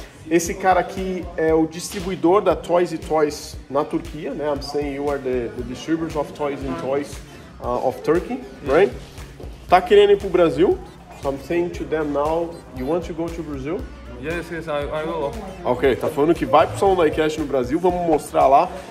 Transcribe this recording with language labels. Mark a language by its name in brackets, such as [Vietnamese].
[Portuguese] Esse cara aqui é o distribuidor da Toys & Toys na Turquia, né? [English] I'm saying you are the distributors of Toys & Toys of Turkey, right? [Portuguese] Tá querendo ir pro Brasil? [English] So I'm saying to them now, you want to go to Brazil? Yes, I will. [Portuguese] Ok, tá falando que vai pro Salão da iCash no Brasil, vamos mostrar lá.